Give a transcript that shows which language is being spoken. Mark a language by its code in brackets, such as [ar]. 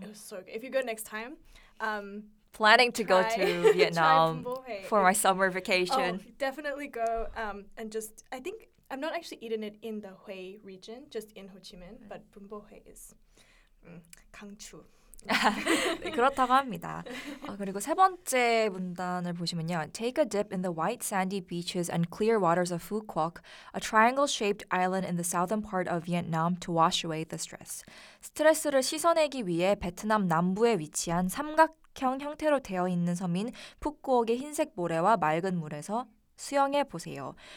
[en] It was so good. If you go next time. Planning to go to Vietnam for my summer vacation. Oh, definitely go and just, I think, I've not actually eaten it in the Hue region, just in Ho Chi Minh, but Bun Bo Hue is 강추. [ko] 그렇다고 합니다. 그리고 세 번째 문단을 보시면요. [en] Take a dip in the white sandy beaches and clear waters of Fukuok, a triangle-shaped island in the southern part of Vietnam to wash away the stress. [ko] 스트레스를 씻어내기 위해 베트남 남부에 위치한 삼각형 형태로 되어 있는 섬인 푸꾸옥의 흰색 모래와 맑은 물에서 수영해 보세요.